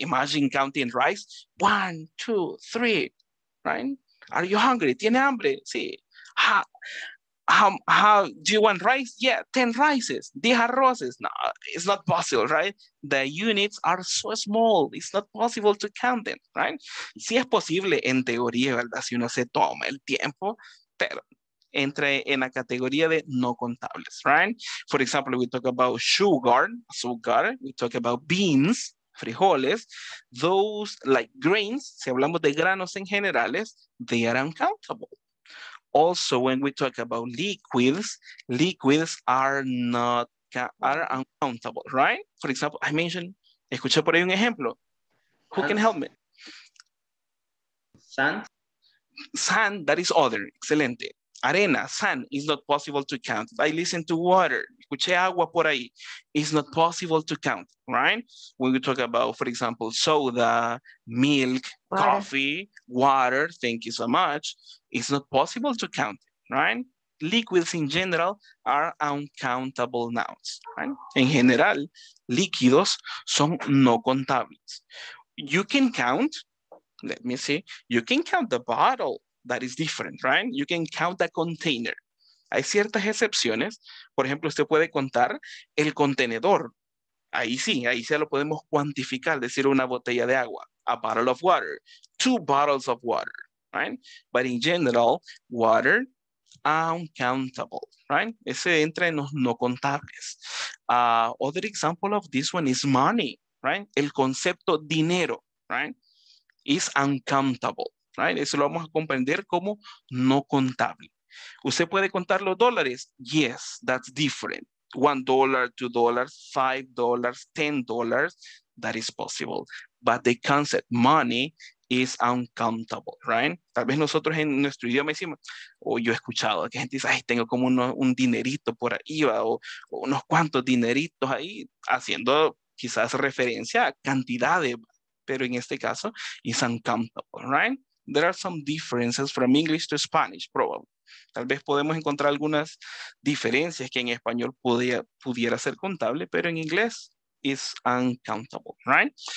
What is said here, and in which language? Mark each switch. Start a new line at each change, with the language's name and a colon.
English: Imagine counting rice, one, two, three, right? Are you hungry?
Spanish: ¿Tiene hambre? Sí.
English: How do you want rice? Yeah, 10 rices,
Spanish: 10 arroces.
English: No, it's not possible, right? The units are so small, it's not possible to count them, right?
Spanish: Sí es posible en teoría, ¿verdad? Si uno se toma el tiempo, pero entra en la categoría de no contables, right?
English: For example, we talk about sugar, we talk about beans, frijoles, those like grains,
Spanish: si hablamos de granos en generales,
English: they are uncountable. Also, when we talk about liquids are uncountable, right? For example, I mentioned,
Spanish: escuché por ahí un ejemplo.
English: Who can help me? Sand. Sand, that is other, excelente. Arena, sand, is not possible to count. I listen to water,
Spanish: escuché agua por ahí.
English: It's not possible to count, right? When we talk about, for example, soda, milk, water. Coffee, water, thank you so much. It's not possible to count, right? Liquids in general are uncountable nouns, right?
Spanish: En general, líquidos son no contables.
English: You can count, let me see, you can count the bottle, that is different, right? You can count the container.
Spanish: Hay ciertas excepciones. Por ejemplo, usted puede contar el contenedor. Ahí sí lo podemos cuantificar, decir una botella de agua,
English: a bottle of water, two bottles of water.
Spanish: Right?
English: But in general, water, uncountable, right?
Spanish: Ese entra en los no contables.
English: Other example of this one is money, right?
Spanish: El concepto dinero,
English: right? Is uncountable, right?
Spanish: Eso lo vamos a comprender como no contable. ¿Usted puede contar los dólares?
English: Yes, that's different. $1, $2, $5, $10, that is possible. But the concept money is uncountable, right?
Spanish: Tal vez nosotros en nuestro idioma decimos, o yo he escuchado que gente dice, ay, tengo como un dinerito por ahí, o unos cuantos dineritos ahí, haciendo quizás referencia a cantidades, pero en este caso,
English: is uncountable, right? There are some differences from English to Spanish, probably.
Spanish: Tal vez podemos encontrar algunas diferencias que en español pudiera ser contable, pero en inglés,
English: is uncountable, right?